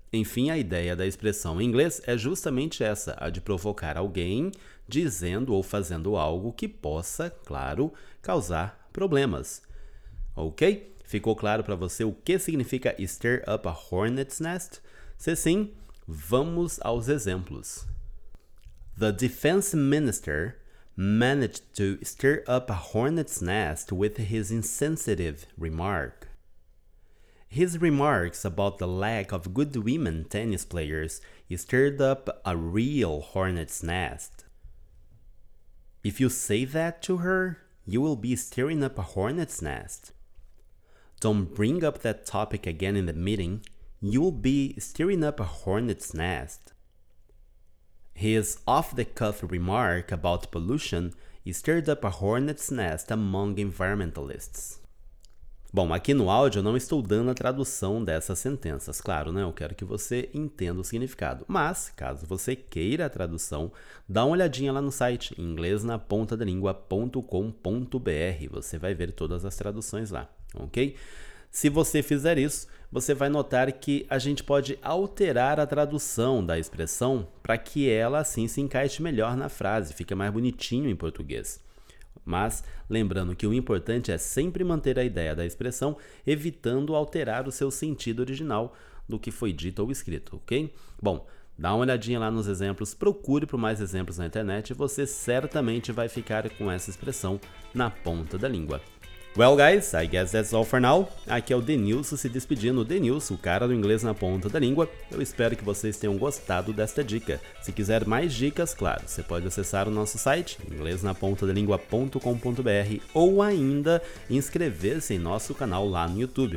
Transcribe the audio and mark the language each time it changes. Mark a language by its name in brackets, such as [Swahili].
[Portuguese] Enfim, a ideia da expressão em inglês é justamente essa, a de provocar alguém dizendo ou fazendo algo que possa, claro, causar problemas. Ok? Ficou claro para você o que significa [English] stir up a hornet's nest? [Portuguese] Se sim, vamos aos exemplos. [English] The defense minister managed to stir up a hornet's nest with his insensitive remark. His remarks about the lack of good women tennis players stirred up a real hornet's nest. If you say that to her, you will be stirring up a hornet's nest. Don't bring up that topic again in the meeting. You'll be stirring up a hornet's nest. His off-the-cuff remark about pollution stirred up a hornet's nest among environmentalists. [Portuguese] Bom, aqui no áudio eu não estou dando a tradução dessas sentenças, claro, né? Eu quero que você entenda o significado. Mas, caso você queira a tradução, dá uma olhadinha lá no site inglesnapontadalingua.com.br. Você vai ver todas as traduções lá, ok? Se você fizer isso, você vai notar que a gente pode alterar a tradução da expressão para que ela, assim, se encaixe melhor na frase, fica mais bonitinho em português. Mas, lembrando que o importante é sempre manter a ideia da expressão, evitando alterar o seu sentido original do que foi dito ou escrito, ok? Bom, Dá uma olhadinha lá nos exemplos, procure por mais exemplos na internet e você certamente vai ficar com essa expressão na ponta da língua. [English] Well, guys, I guess that's all for now. [Portuguese] Aqui é o Denilson se despedindo. Denilson, o cara do inglês na ponta da língua. Eu espero que vocês tenham gostado desta dica. Se quiser mais dicas, claro, você pode acessar o nosso site, inglesnapontadalingua.com.br, ou ainda inscrever-se em nosso canal lá no YouTube.